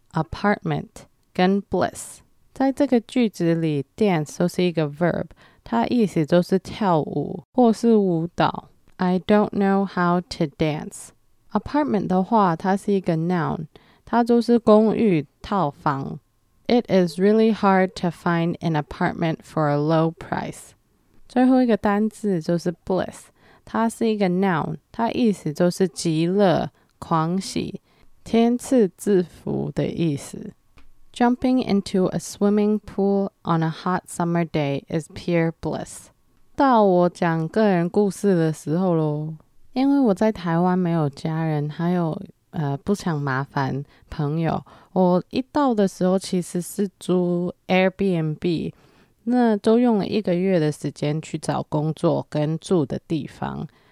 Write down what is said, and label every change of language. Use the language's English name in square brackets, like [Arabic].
[Chinese] apartment 跟 bliss。在这个句子里 dance 都是一个 verb， 它意思就是跳舞或是舞蹈。 [English] I don't know how to dance。 [Chinese] apartment 的话它是一个 noun， 它就是公寓套房。 [English] It is really hard to find an apartment for a low price。 [Chinese] 最后一个单字就是 bliss， 它是一个 noun， 它意思就是极乐、狂喜、天赐赐福的意思。 [English] Jumping into a swimming pool on a hot summer day is pure bliss。 [Chinese] 到我讲个人故事的时候咯，因为我在台湾没有家人，还有不想麻烦朋友，我一到的时候其实是租 Airbnb， 那都用了一个月的时间去找工作跟住的地方。